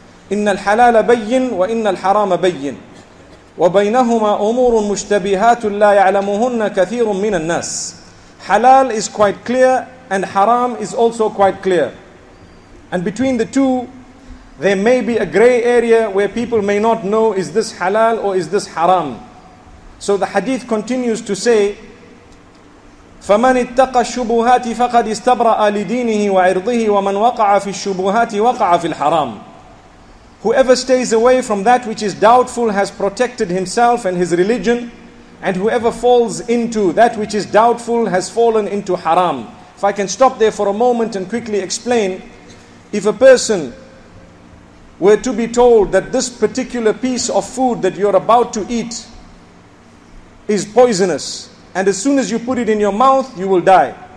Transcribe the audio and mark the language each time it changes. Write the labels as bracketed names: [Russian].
[Arabic] إِنَّ الْحَلَالَ بَيِّنُ وَإِنَّ الْحَرَامَ بَيِّنُ وَبَيْنَهُمَا أُمُورٌ مُشْتَبِهَاتٌ لَا يَعْلَمُهُنَّ كَثِيرٌ مِّنَ النَّاسِ. [English] Halal is quite clear and haram is also quite clear. And between the two, there may be a grey area where people may not know, is this halal or is this haram? So the hadith continues to say, [Arabic] فَمَنِ اتَّقَ الشُّبُهَاتِ فَقَدِ اسْتَبْرَأَ لِدِينِهِ وَعِرْضِهِ وَمَنْ وَقَعَ فِي الشُّبُهَاتِ وَقَعَ فِي الْحَرَامِ. [English] Whoever stays away from that which is doubtful has protected himself and his religion, and whoever falls into that which is doubtful has fallen into haram. If I can stop there for a moment and quickly explain, if a person were to be told that this particular piece of food that you're about to eat is poisonous, and as soon as you put it in your mouth, you will die.